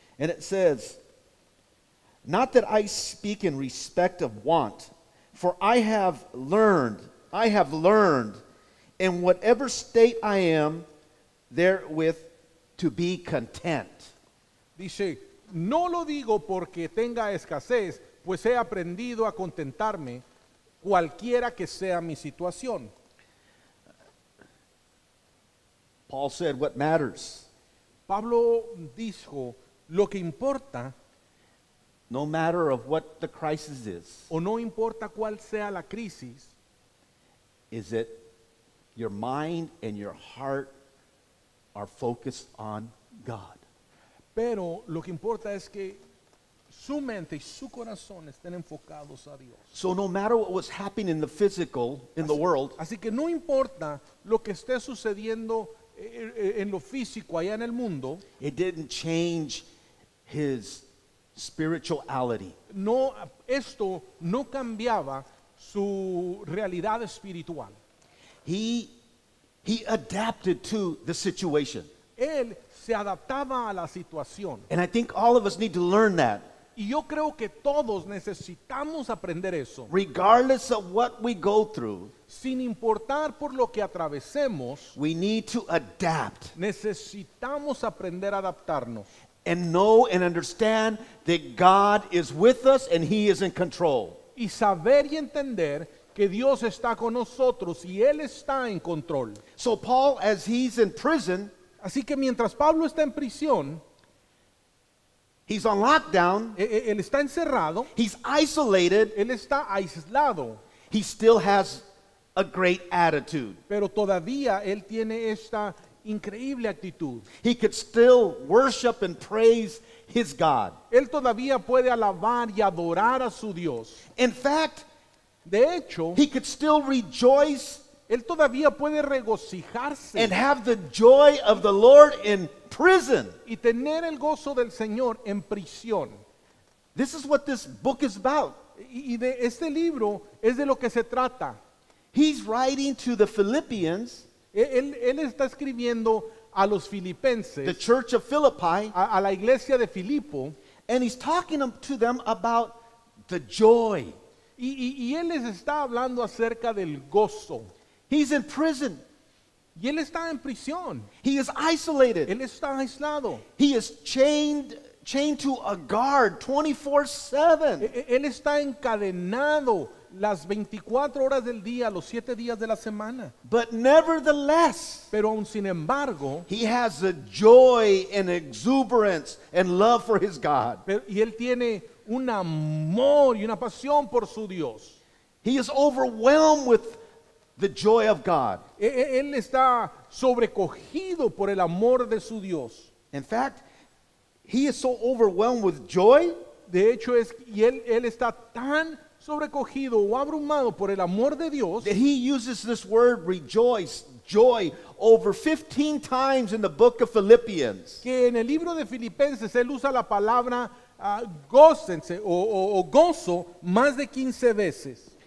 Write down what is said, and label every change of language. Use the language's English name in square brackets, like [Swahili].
[English] And it says, "Not that I speak in respect of want, for I have learned in whatever state I am therewith to be content." [Spanish] Dice, "No lo digo porque tenga escasez, pues he aprendido a contentarme cualquiera que sea mi situación." [English] Paul said what matters. [Spanish] Pablo dijo lo que importa. [English] No matter of what the crisis is. [Spanish] O no importa cuál sea la crisis. [English] Is it your mind and your heart are focused on God. [Spanish] Pero lo que importa es que su mente y su corazón estén enfocados a Dios. [English] So no matter what was happening in the physical, in the world. [Spanish] Así que no importa lo que esté sucediendo en lo físico allá en el mundo. [English] It didn't change his spirituality. [Spanish] No, esto no cambiaba su realidad espiritual. [English] He adapted to the situation. [Spanish] Él se adaptaba a la situación. [English] And I think all of us need to learn that. [Spanish] Y yo creo que todos necesitamos aprender eso. [English] Regardless of what we go through, [Spanish] sin importar por lo que atravesemos, [English] we need to adapt. [Spanish] Necesitamos aprender a adaptarnos. [English] And know and understand that God is with us and He is in control. [Spanish] Y saber y entender que Dios está con nosotros y Él está en control. [English] So Paul, as he's in prison, [Spanish] así que mientras Pablo está en prisión, [English] he's on lockdown. [Spanish] Él está encerrado. [English] He's isolated. [Spanish] Él está aislado. [English] He still has a great attitude. [Spanish] Pero todavía él tiene esta increíble actitud. [English] He could still worship and praise his God. [Spanish] Él todavía puede alabar y adorar a su Dios. [English] In fact, [Spanish] de hecho, [English] he could still rejoice. [Spanish] Él todavía puede regocijarse. [English] And have the joy of the Lord in prison. [Spanish] Y tener el gozo del Señor en prisión. [English] This is what this book is about. [Spanish] Y de este libro es de lo que se trata. [English] He's writing to the Philippians. [Spanish] Él está escribiendo a los filipenses. [English] The church of Philippi. [Spanish] A la iglesia de Filipo. [English] And he's talking to them about the joy. [Spanish] Y él les está hablando acerca del gozo. [English] He's in prison. [Spanish] Y él está en prisión. [English] He is isolated. [Spanish] Él está aislado. [English] He is chained to a guard 24/7. [Spanish] Él está encadenado las 24 horas del día, los 7 días de la semana. [English] But nevertheless, [Spanish] pero aun sin embargo, [English] he has a joy and exuberance and love for his God. [Spanish] Y él tiene un amor y una pasión por su Dios. [English] He is overwhelmed with the joy of God. [Spanish] Él está sobrecogido por el amor de su Dios. [English] In fact, he is so overwhelmed with joy. [Spanish] De hecho, es y él está tan sobrecogido o abrumado por el amor de Dios. [English] That he uses this word rejoice, joy, over 15 times in the book of Philippians. [Spanish] Que en el libro de Filipenses él usa la palabra gócense o gozo más de 15 veces.